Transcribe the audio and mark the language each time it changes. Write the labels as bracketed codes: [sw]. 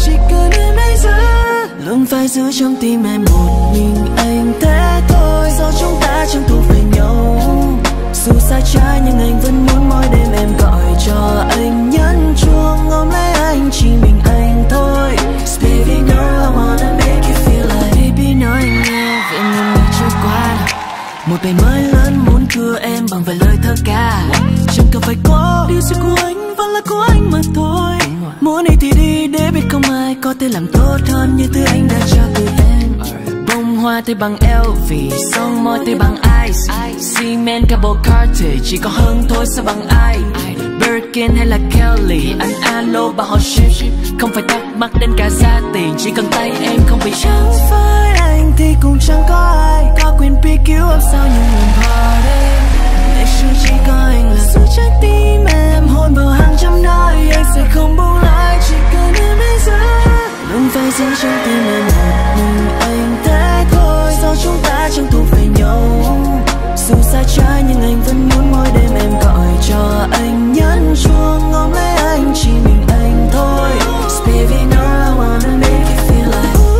[vi] Chỉ cần em hãy giữ. Luôn phải giữ trong tim em một mình anh thế thôi. Do chúng ta chẳng thuộc về nhau. Dù xa trái nhưng anh vẫn muốn mỗi đêm em gọi cho anh nhấn chuông. Ôm lấy anh chỉ mình anh thôi. [en] Baby girl I wanna make you feel like. [vi] Baby nói anh nghe về những ngày trôi qua. Một ngày mới lớn muốn cưa em bằng vài lời thơ ca. Chẳng cần phải có điều gì của anh vẫn là của anh mà thôi. Muốn đi thì đi để biết không ai có thể làm tốt hơn như thứ anh đã cho từ em. Bông hoa thì bằng LV, son môi thì bằng ice. [en] Cement cable car [vi] thì chỉ có hương thôi sao bằng ai. Birkin hay là Kelly, anh alo bà họ ship. Không phải thắc mắc đến cả giá tiền, chỉ cần tay em không bị chán. Với anh thì cũng chẳng có ai. Có quyền [en] pick you up [vi] sau những lần party. Để sự chỉ có anh là giữ trái tim em. Hôn vào hàng trăm nơi, anh sẽ không buông lại. Chỉ cần em hãy giữ. Luôn phải giữ trong tim em một mình anh thế thôi. Do chúng ta chẳng thuộc về nhau. Dù xa trái nhưng anh vẫn muốn mỗi đêm em gọi cho anh nhấn chuông. Ôm lấy anh chỉ mình anh thôi. [en] Baby no I wanna make you feel like.